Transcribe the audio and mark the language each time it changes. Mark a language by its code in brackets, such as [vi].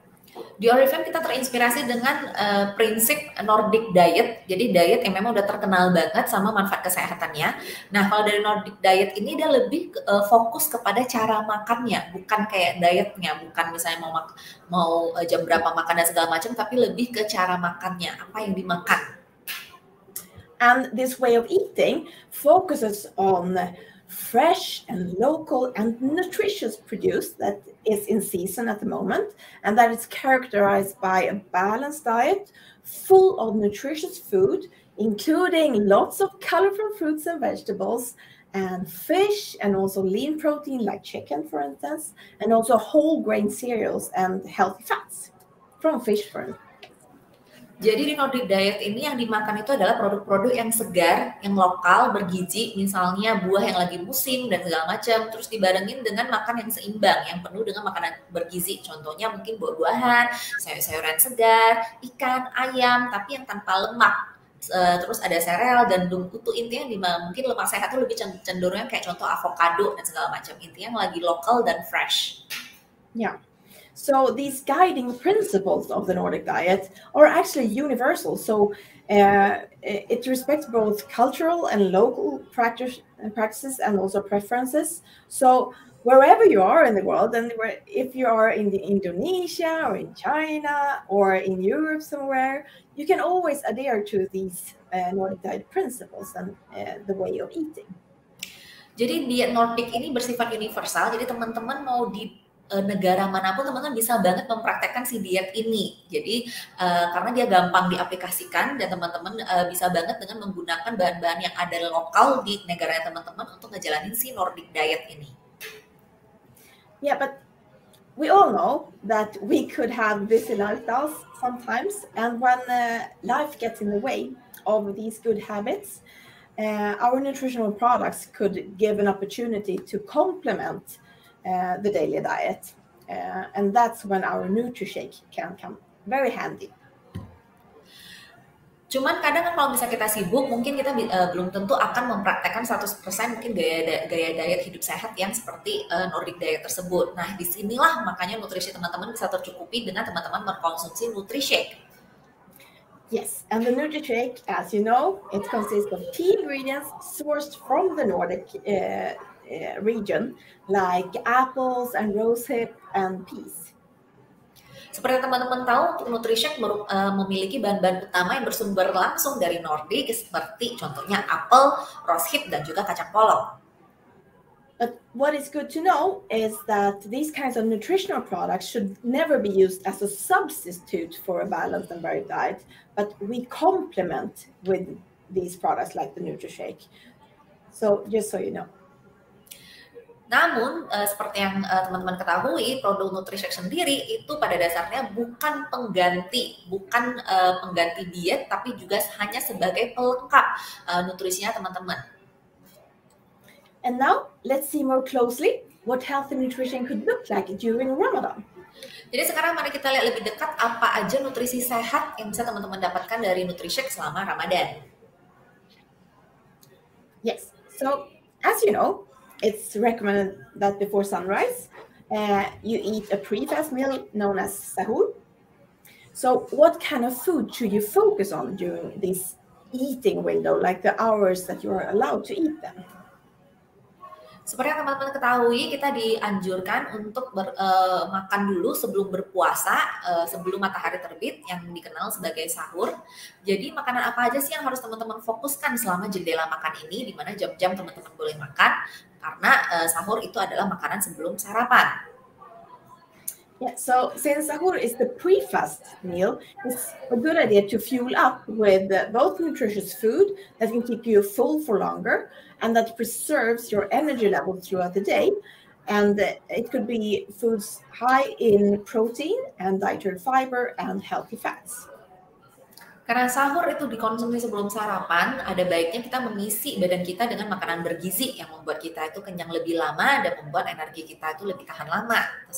[id] Di Oriflame kita terinspirasi dengan prinsip Nordic diet. Jadi diet yang memang udah terkenal banget sama manfaat kesehatannya. Nah, kalau dari Nordic diet ini dia lebih fokus kepada cara makannya, bukan kayak dietnya, bukan misalnya mau jam berapa makan dan segala macam, tapi lebih ke cara makannya, apa yang dimakan. [en] And this way of eating focuses on fresh and local and nutritious produce that is in season at the moment, and that is characterized by a balanced diet full of nutritious food, including lots of colorful fruits and vegetables and fish, and also lean protein like chicken, for instance, and also whole grain cereals and healthy fats from fish, for instance. [id] Jadi di Nordic diet ini yang dimakan itu adalah produk-produk yang segar, yang lokal, bergizi, misalnya buah yang lagi musim dan segala macam, terus dibarengin dengan makan yang seimbang, yang penuh dengan makanan bergizi, contohnya mungkin buah-buahan, sayur-sayuran segar, ikan, ayam, tapi yang tanpa lemak, terus ada sereal, gandum, utuh, intinya mungkin lemak sehat itu lebih cenderungnya kayak contoh avokado dan segala macam, intinya yang lagi lokal dan fresh. Ya. Yeah. [en] So these guiding principles of the Nordic diet are actually universal. So it respects both cultural and local practices and also preferences. So wherever you are in the world, and if you are in Indonesia or in China or in Europe somewhere, you can always adhere to these Nordic diet principles and the way of eating. [id] Jadi diet Nordic ini bersifat universal. Jadi teman-teman mau di negara manapun teman-teman bisa banget mempraktekkan si diet ini. Jadi karena dia gampang diaplikasikan dan teman-teman bisa banget dengan menggunakan bahan-bahan yang ada lokal di negara teman-teman untuk ngejalanin si Nordic diet ini. [en] Yeah, but we all know that we could have busy lifestyles sometimes, and when life gets in the way of these good habits, our nutritional products could give an opportunity to complement the daily diet, and that's when our NutriShake can come very handy. [id] Cuman kadang kan kalau misalnya kita sibuk, mungkin kita belum tentu akan mempraktekkan 100% mungkin gaya diet hidup sehat yang seperti Nordic diet tersebut. Nah, disinilah makanya nutrisi teman-teman bisa tercukupi dengan teman-teman berkonsumsi NutriShake. [en] Yes, and the NutriShake, as you know, it consists of key ingredients sourced from the Nordic region, like apples and rosehip and peas. [id] Seperti teman-teman tahu, Nutrishake memiliki bahan-bahan utama yang bersumber langsung dari Nordik, seperti contohnya apel, rosehip, dan juga kacang polong. [en] But what is good to know is that these kinds of nutritional products should never be used as a substitute for a balanced and varied diet, but we complement with these products like the Nutrishake. So just so you know. [id] Namun, seperti yang teman-teman ketahui, produk Nutrishake sendiri itu pada dasarnya bukan pengganti diet, tapi juga hanya sebagai pelengkap nutrisinya teman-teman. [en] And now, let's see more closely what healthy nutrition could look like during Ramadan. [id] Jadi sekarang mari kita lihat lebih dekat apa aja nutrisi sehat yang bisa teman-teman dapatkan dari Nutrishake selama Ramadan. [en] Yes, so as you know, it's recommended that before sunrise, you eat a pre-fast meal known as sahur. So what kind of food should you focus on during this eating window, like the hours that you are allowed to eat them? [id] Seperti yang teman-teman ketahui, kita dianjurkan untuk makan dulu sebelum berpuasa, sebelum matahari terbit, yang dikenal sebagai sahur. Jadi makanan apa aja sih yang harus teman-teman fokuskan selama jendela makan ini, di mana jam-jam teman-teman boleh makan, karena sahur itu adalah makanan sebelum sarapan. [en] Yeah, so since sahur is the pre-fast meal, it's a good idea to fuel up with both nutritious food that can keep you full for longer and that preserves your energy level throughout the day. And it could be foods high in protein and dietary fiber and healthy fats. [id] Karena sahur itu dikonsumsi sebelum sarapan, ada baiknya kita mengisi badan kita dengan makanan bergizi yang membuat kita itu kenyang lebih lama dan membuat energi kita itu lebih tahan lama.